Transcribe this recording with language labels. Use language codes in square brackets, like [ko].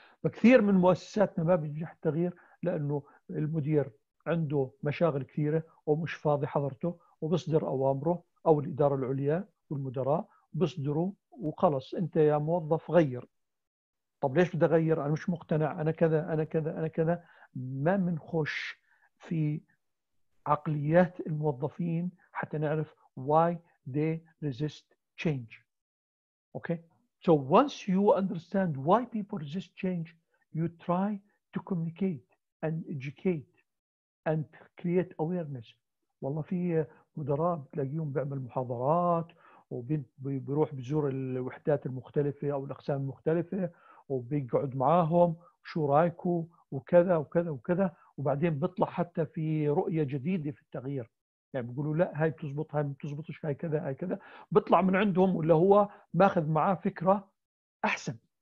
[ar] فكثير من مؤسساتنا ما بينجح التغيير لأنه المدير عنده مشاغل كثيرة ومش فاضي حضرته، وبصدر أوامره أو الإدارة العليا والمدراء بصدره وخلص، أنت يا موظف غير. طب ليش بدي أغير؟ أنا مش مقتنع، أنا كذا أنا كذا أنا كذا. ما منخش في عقليات الموظفين حتى نعرف [en] why they resist change. Okay, so once you understand why people resist change, you try to communicate and educate and create awareness. [ar] والله في مدراء بتلاقيهم بيعمل محاضرات وبيروح بزور الوحدات المختلفة أو الأقسام المختلفة وبيقعد معاهم شو رايكو وكذا وكذا وكذا، وبعدين بيطلع حتى في رؤية جديدة في التغيير، يعني بيقولوا لا هاي بتزبط هاي بتزبطش هاي كذا هاي كذا، بيطلع من عندهم ولا هو ماخذ معاه فكرة أحسن.